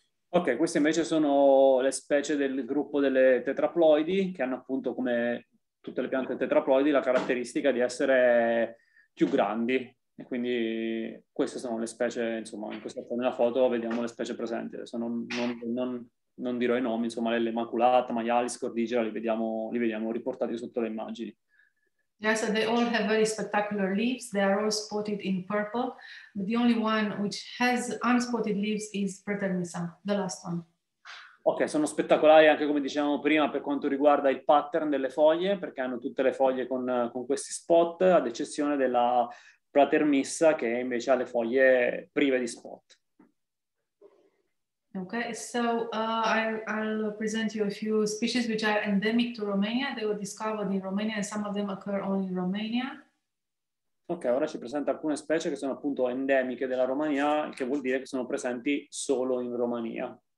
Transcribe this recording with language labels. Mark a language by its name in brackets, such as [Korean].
[Italian] Ok, queste invece sono le specie del gruppo delle tetraploidi, che hanno appunto, come tutte le piante tetraploidi, la caratteristica di essere più grandi. E quindi queste sono le specie, insomma, in questa nella foto vediamo le specie presenti. Adesso non dirò i nomi, insomma, le Maculata, Maialis, Cordigera, li vediamo riportati sotto le immagini. [English] Yes, so they all have very spectacular leaves. They are all spotted in purple. But the only one which has unspotted leaves is Fraternisa, the last one. [Italian] Ok, sono spettacolari anche, come dicevamo prima, per quanto riguarda il pattern delle foglie, perché hanno tutte le foglie con questi spot, ad eccezione della Fraternisa, che invece ha le foglie prive di spot. [English] Okay, so I'll present you a few species which are endemic to Romania. They were discovered in Romania and some of them occur only in Romania. [Italian] Ok, ora ci presenta alcune specie che sono appunto endemiche della Romania, che vuol dire che sono presenti solo in Romania.